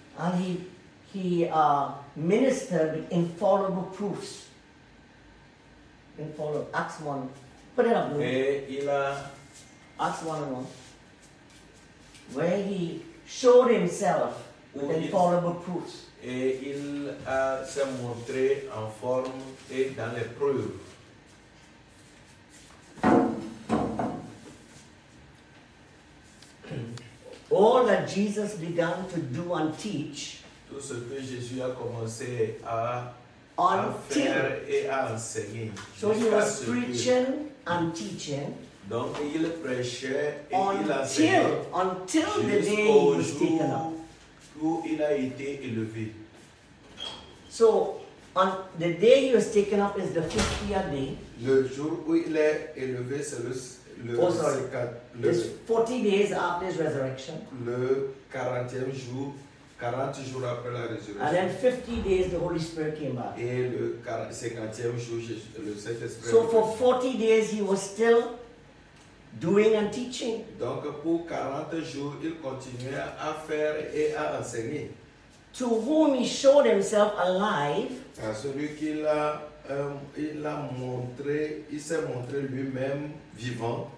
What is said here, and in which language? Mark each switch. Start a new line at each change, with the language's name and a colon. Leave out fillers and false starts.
English: and he ministered with infallible proofs. Infallible, Acts 1, put it up.
French: Et il a,
English: Acts 1:1, where he showed himself with infallible proofs.
French: Et il s'est montré en forme et dans les preuves.
English: All that Jesus began to do and teach,
French: tout ce que Jésus a commencé à faire et à enseigner.
English: So he was preaching and teaching.
French: Donc il prêchait et il
English: enseignait. Until the day he was taken up.
French: Où il a été élevé.
English: So on the day he was taken up is the 50th day.
French: Le jour où il est élevé, c'est le 40e jour, 40 jours après la résurrection.
English: And then 50 days the Holy Spirit came back.
French: Et le 50e jour, le Saint-Esprit.
English: So for 40 days he was still doing and teaching.
French: Donc pour 40 jours, il continuait à faire et à enseigner.
English: To whom he showed himself alive.
French: À celui qu'il a il s'est montré lui-même vivant.